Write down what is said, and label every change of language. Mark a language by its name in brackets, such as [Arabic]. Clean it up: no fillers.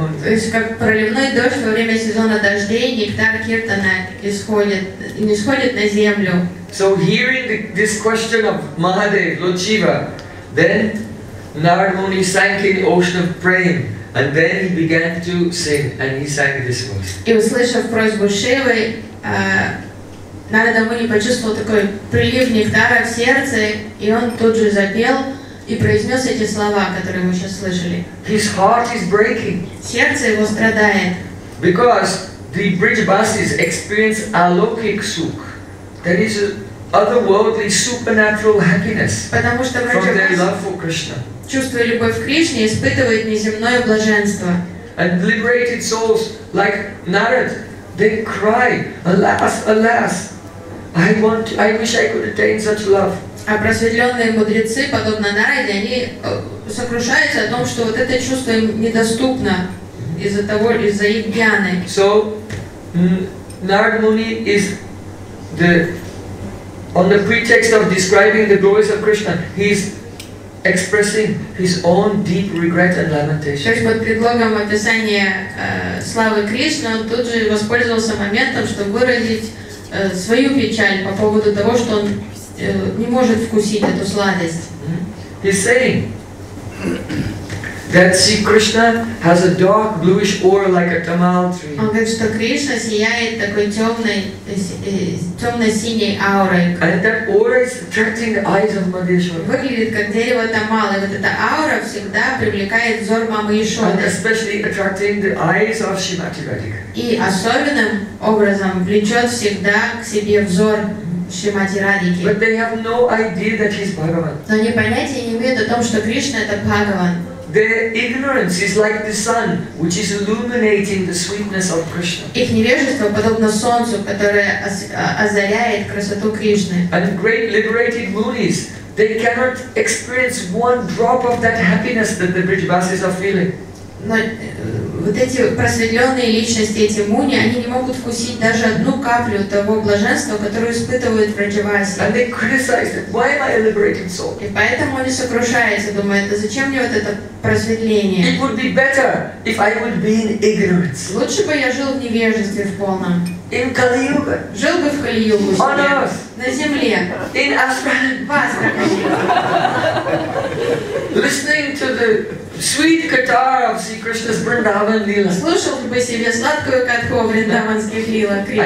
[English] Muni. So hearing this question of Mahadev, Lord Shiva, then Narad Muni sank in the ocean of Prem. And then he began to sing, and he sang this verse. [Russian] И услышав просьбу Шивы, Нарада Муни почувствовал такой прилив нектара в сердце, и он тут же запел и произнес эти слова, которые мы сейчас слышали. [English] His heart is breaking. [Russian] Сердце его страдает. [English] Because the Brijabasis experience alaukik sukh, that is otherworldly supernatural happiness from their love for Krishna. [Russian] Чувствуя любовь к Кришне, испытывает неземное блаженство. [English] And liberated souls like Narad, they cry, alas, alas, I wish I could attain such love. [Russian] А просветленные мудрецы, подобно Нараде, они сокрушаются о том, что вот это чувство им недоступно из-за их гьяны. [English] So Narad Muni is the on the pretext of describing the glories of Krishna, he's expressing his own deep regret and lamentation. [Russian] То есть под предлогом описания славы Кришны, он тут же воспользовался моментом, чтобы выразить свою печаль по поводу того, что он не может вкусить эту сладость. [English] He's saying that see Krishna has a dark bluish aura like a tamal tree. [Russian] Он говорит, что Кришна сияет такой темно-синей аурой. [English] And that aura is attracting the eyes of Мадхишвара. [Russian] Выглядит как дерево тамал, и вот эта аура всегда привлекает взор мамы Ишоды. [English] And especially attracting the eyes of Шримати Радхика. [Russian] И особенным образом влечет всегда к себе взор Шримати Радхики. [English] But they have no idea that he's Bhagavan. [Russian] Но они понятия не имеют о том, что Кришна это Бхагаван. [English] Their ignorance is like the sun, which is illuminating the sweetness of Krishna. [Russian] Их невежество подобно солнцу, которое озаряет красоту Кришны. [English] And great liberated munis, they cannot experience one drop of that happiness that the Brijabasis are feeling. [Russian] Но вот эти просветленные личности, эти муни, они не могут вкусить даже одну каплю того блаженства, которое испытывают Враджаваси. [English] And they criticize it. Why am I a liberated soul? [Russian] И поэтому они сокрушаются, думают, а зачем мне вот это просветление? [English] It would be better if I would be in ignorance. [Russian] Лучше бы я жил в невежестве в полном. [English] In Kali-yuga. [Russian] Жил бы в Кали-югу. [English] On earth. [Russian] На земле. [English] In Астрахани. Listening to the sweet katar of Sri Krishna's Vrindavan Lila. [Russian] Слушал бы себе сладкую катку Вриндаванских лила Кришна.